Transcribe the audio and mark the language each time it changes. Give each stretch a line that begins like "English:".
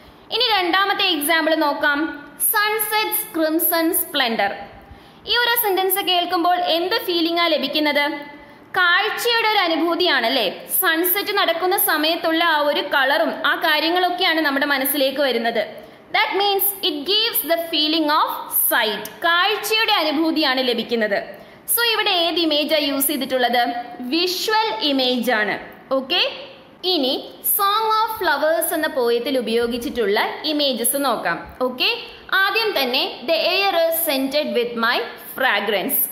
Malayalam: ഇനി രണ്ടാമത്തെ എക്സാമ്പിൾ നോക്കാം.
English: Sunsets crimson splendour.
Malayalam: ഈ ഒരു സെന്റൻസ് കേൾക്കുമ്പോൾ എന്ത് ഫീലിംഗ് ആണ് ലഭിക്കുന്നത്? കാഴ്ചയുടെ ഒരു അനുഭൂതിയാണല്ലേ. സൺസെറ്റ് നടക്കുന്ന സമയത്തുള്ള ആ ഒരു കളറും ആ കാര്യങ്ങളൊക്കെയാണ് നമ്മുടെ മനസ്സിലേക്ക് വരുന്നത്.
English: That means it gives the feeling of sight.
Malayalam: കാഴ്ചയുടെ അനുഭൂതിയാണ് ലഭിക്കുന്നത്. സോ ഇവിടെ ഏത് ഇമേജ് ആണ് യൂസ് ചെയ്തിട്ടുള്ളത്? വിഷ്വൽ ഇമേജ് ആണ്. ഓക്കെ. ഇനി സോങ് ഓഫ് ഫ്ലവേഴ്സ് എന്ന പോയത്തിൽ ഉപയോഗിച്ചിട്ടുള്ള ഇമേജസ് നോക്കാം. ഓക്കെ. ആദ്യം തന്നെ
English: The air is scented with my fragrance.